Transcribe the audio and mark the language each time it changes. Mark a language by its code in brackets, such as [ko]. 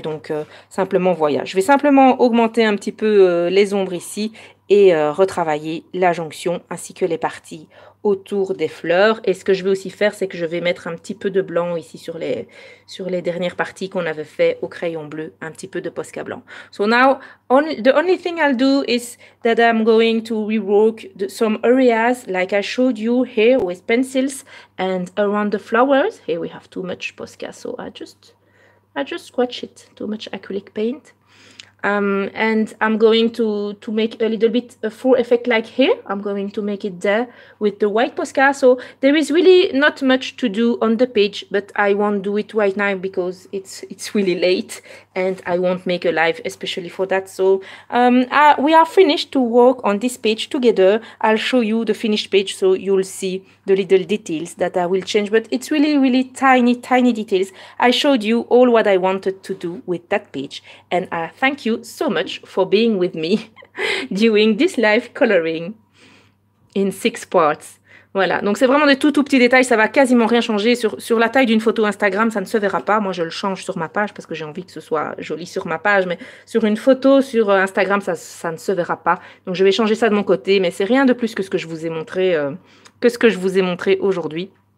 [fr] Donc, simplement, voilà. Je vais simplement augmenter un petit peu les ombres ici et retravailler la jonction ainsi que les parties autour des fleurs. Et ce que je vais aussi faire, c'est que je vais mettre un petit peu de blanc ici sur les dernières parties qu'on avait fait au crayon bleu, un petit peu de Posca blanc. [en] So now, the only thing I'll do is that I'm going to rework some areas like I showed you here with pencils and around the flowers. Here we have too much Posca, so I just scratch it, too much acrylic paint. And I'm going to make a little bit a full effect like here. I'm going to make it there with the white Posca. So there is really not much to do on the page, but I won't do it right now because it's really late and I won't make a live especially for that. So we are finished to work on this page together. I'll show you the finished page so you'll see the little details that I will change, but it's really, really tiny, tiny details. I showed you all what I wanted to do with that page, and I thank you so much for being with me during this live coloring in 6 parts. [fr] Voilà, donc c'est vraiment des tout, tout petits détails, ça va quasiment rien changer. Sur la taille d'une photo Instagram, ça ne se verra pas. Moi, je le change sur ma page parce que j'ai envie que ce soit joli sur ma page, mais sur une photo sur Instagram, ça ne se verra pas. Donc, je vais changer ça de mon côté, mais c'est rien de plus que ce que je vous ai montré, aujourd'hui.